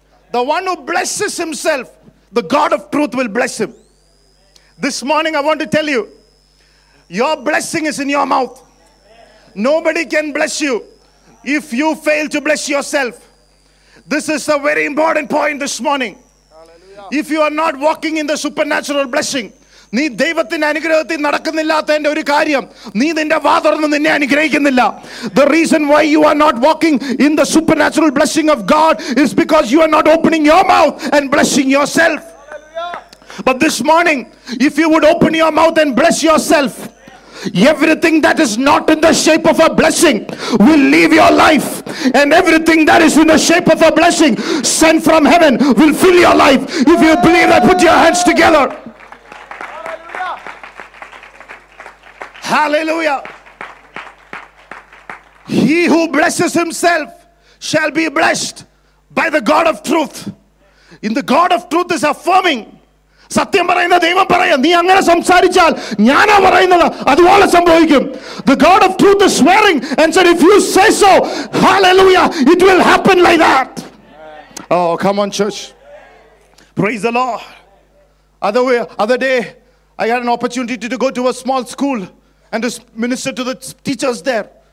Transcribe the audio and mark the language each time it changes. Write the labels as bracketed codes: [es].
[en] The one who blesses himself, the God of truth will bless him. This morning I want to tell you, your blessing is in your mouth. Nobody can bless you if you fail to bless yourself. This is a very important point this morning. Hallelujah. If you are not walking in the supernatural blessing, [ml] നീ ദൈവത്തിന്റെ അനുഗ്രഹത്തിൽ നടക്കുന്നില്ലാത്തതിന്റെ ഒരു കാര്യം, നീ നിന്റെ വാ തുറന്ന് നിന്നെ അനുഗ്രഹിക്കുന്നില്ല. [en] The reason why you are not walking in the supernatural blessing of God is because you are not opening your mouth and blessing yourself. Hallelujah. But this morning, if you would open your mouth and bless yourself, everything that is not in the shape of a blessing will leave your life, and everything that is in the shape of a blessing sent from heaven will fill your life. If you believe that, put your hands together. Hallelujah. He who blesses himself shall be blessed by the God of truth. In the God of truth is affirming. [ml] സത്യം പറയുന്ന ദൈവം പറയാം, നീ അങ്ങനെ സംസാരിച്ചാൽ ഞാനാ പറയുന്നത് അതുപോലെ സംഭവിക്കും. [en] The God of truth is swearing and said, if you say so, hallelujah, it will happen like that. Oh, come on, church. Praise the Lord. Other day, I had an opportunity to go to a small school and to minister to the teachers there.